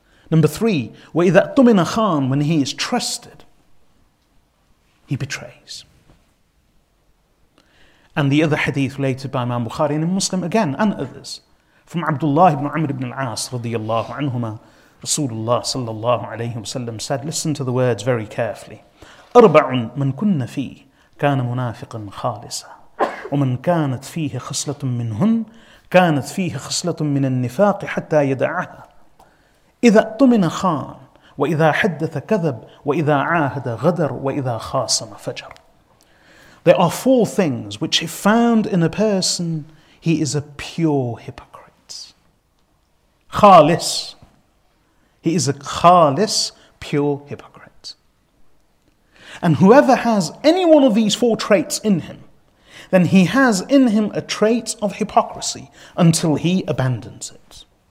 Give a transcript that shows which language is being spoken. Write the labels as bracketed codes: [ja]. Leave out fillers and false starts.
[en] Number three, [ar] وَإِذَا أُمِنَ خَانْ, [en] when he is trusted, he betrays. And the other hadith related by Imam Bukhari and Muslim again and others, from Abdullah ibn Amr ibn al-As radiyallahu anhuma, Rasulullah sallallahu alayhi wa sallam said, listen to the words very carefully. [ar] أَرْبَعٌ مَنْ كُنَّ فِيهِ كَانَ مُنَافِقًا خَالِصًا وَمَنْ كَانَتْ فِيهِ خَصْلَةٌ مِّنْهُنْ كانت فيه خصلة من النفاق حتى يدعها إذا أطمن خان وإذا حدث كذب وإذا عاهد غدر وإذا خاصم فجر. [en] There are four things which if found in a person, he is a pure hypocrite. [ar] خالص. [en] He is a خالص, pure hypocrite. And whoever has any one of these four traits in him, then he has in him a trait of hypocrisy until he abandons it.